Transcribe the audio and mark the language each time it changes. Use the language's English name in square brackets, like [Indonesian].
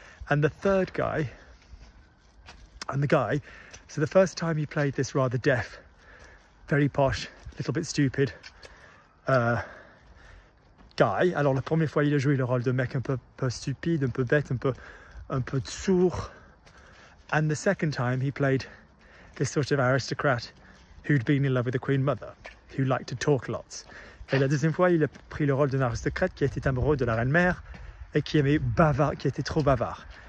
[English] And the third guy, so the first time he played this rather deaf, very posh, little bit stupid guy. [French] Alors la première fois, il a joué le rôle de mec un peu stupide, un peu bête, un peu sourd. [English] And the second time, he played this sort of aristocrat who'd been in love with the Queen Mother, who liked to talk lots. [French] Et la deuxième fois, il a pris le rôle d'un aristocrate qui était amoureux de la reine mère et qui aimait bavard, qui était trop bavard.